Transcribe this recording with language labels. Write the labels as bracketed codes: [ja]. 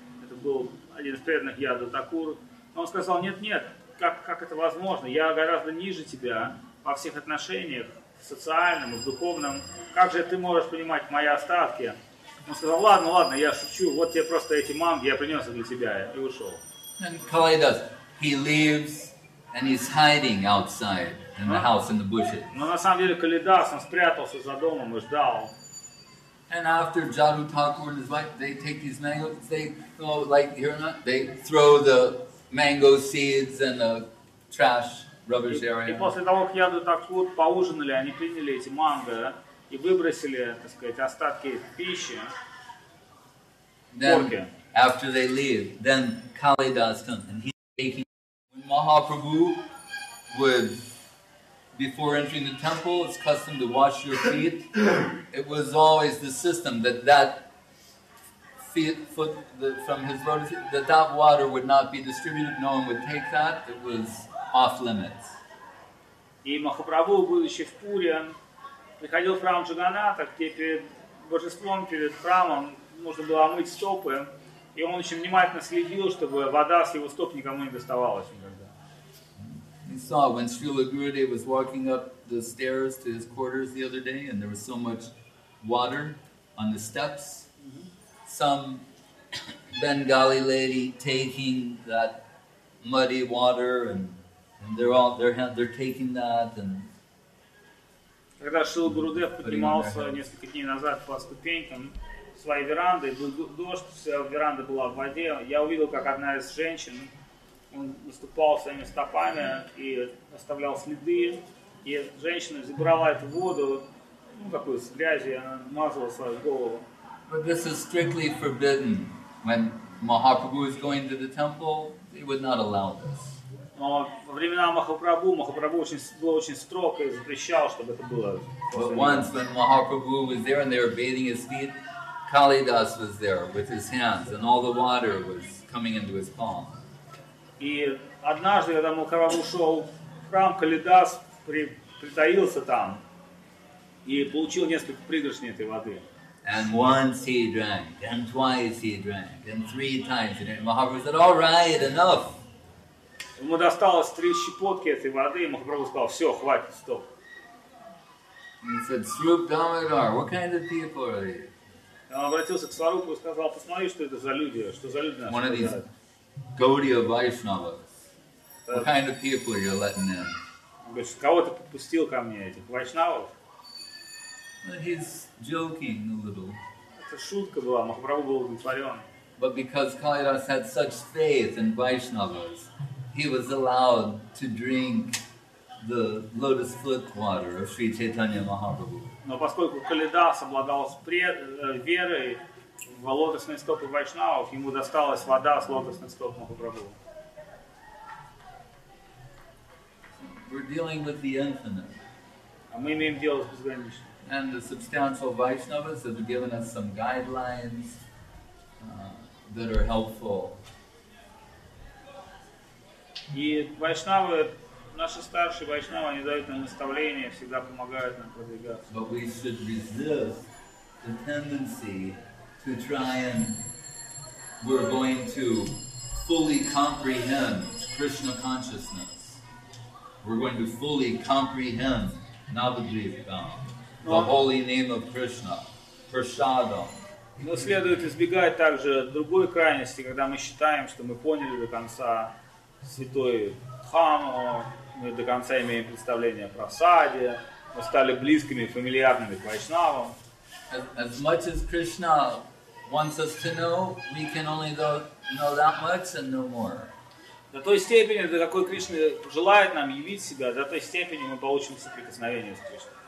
[ru] Это был один из преданных Яду Такур. Он сказал: "Нет, нет, как это возможно? Я гораздо ниже тебя во всех отношениях, в социальном, в духовном. Как же ты можешь принимать мои остатки?" Он сказал: "Ладно, ладно, я шучу, вот тебе просто эти манги, я принес их для тебя", и ушел. [en] And Kalidas, he leaves, and he's hiding outside, in the house, in the bushes. [ru] Но на самом деле Kalidas, он спрятался за домом и ждал. [en] And after Jadu Thakur and his wife, they take these mangoes, they go, like, here or not, they throw the mango seeds in the trash, rubbish area. [ru] И после того, как Jadu Thakur поужинали, они приняли эти манго, и выбросили, так сказать, остатки пищи. [en] Then, after they leave, then Kalidas comes and he's taking. When Mahaprabhu would, before entering the temple, it's custom to wash your feet. It was always the system that feet, foot, the, from his lotus, that water would not be distributed. No one would take that. It was off limits. [ru] И Махапрабху, будучи в Пуре, приходил в храм Джаганната, где перед божеством, перед храмом нужно было омыть стопы, и он очень внимательно следил, чтобы вода с его стоп никому не доставалась никогда. [en] he saw when Srila Gurudev was walking up the stairs to his quarters the other day, and there was so much water on the steps. Mm-hmm. Some Bengali lady taking that muddy water, and they're taking that. And [ru] когда Шрила Гурудев поднимался несколько дней назад по ступенькам своей веранды, был дождь, вся веранда была в воде. Я увидел, как одна из женщин, он наступал своими стопами и оставлял следы. И женщина забирала эту воду, ну такую с грязи, и она мазала свою голову. [en] But this is strictly forbidden. When Mahaprabhu is going to the temple, he would not allow this. [ru] Но во времена Махапрабху, Махапрабху был очень строг и запрещал, чтобы это было. [en] But once, when Mahaprabhu was there and they were bathing his feet, Kalidas was there with his hands, and all the water was coming into his palm. [ru] И однажды, когда Махапрабху ушел в храм, Калидас притаился там и получил несколько пригоршней этой воды. [en] And once he drank, and twice he drank, and three times he drank. Mahaprabhu said, "All right, enough." [ru] Ему досталось три щепотки этой воды, и Махапрабху сказал, все, хватит, стоп. [en] He said, "Srup Damodar, what kind of people are they?" [ru] Он обратился к Сварупу и сказал, посмотри, что это за люди, что за люди наши. [en] One of these Gaudiya Vaishnavas. What kind of people are you letting in? [ru] Он говорит, кого ты подпустил ко мне, этих вайшнавов? [en] He's joking a little. [ru] Это шутка была, Махапрабху был удовлетворен. [en] But because Kalidas had such faith in Vaishnavas, he was allowed to drink the lotus foot water of Sri Chaitanya Mahaprabhu. [ru] Но поскольку Калидас обладал верой в лотосные стопы вайшнавов, ему досталась вода с лотосных стоп Махапрабху. [en] We're dealing with the infinite. [ru] А мы имеем дело с безграничным. [en] And the substantial Vaishnavas have given us some guidelines that are helpful. [ru] И вайшнавы, наши старшие вайшнавы, они дают нам наставления, всегда помогают нам продвигаться. [en] But we should resist the tendency to try and we're going to fully comprehend Krishna consciousness. We're going to fully comprehend Navadvipa. The holy name of Krishna, Prasadam. [ru] Но следует избегать также другой крайности, когда мы считаем, что мы поняли до конца святой Дхаму, мы до конца имеем представление о Прасаде, мы стали близкими, фамильярными к Вайшнавам. [en] As much as Krishna wants us to know, we can only know that much and no more. [ru] До той степени, до какой Кришна желает нам явить себя, до той степени мы получим соприкосновение с Кришной.